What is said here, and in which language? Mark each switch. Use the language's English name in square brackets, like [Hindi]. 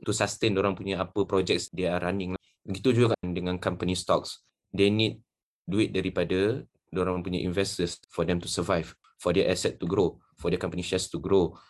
[English] To sustain [Malay] orang punya apa [English] projects they are running. [Malay] Begitu juga kan dengan company stocks. [English] They need [Malay] duit daripada orang punya [English] investors for them to survive, for their asset to grow, for their company shares to grow.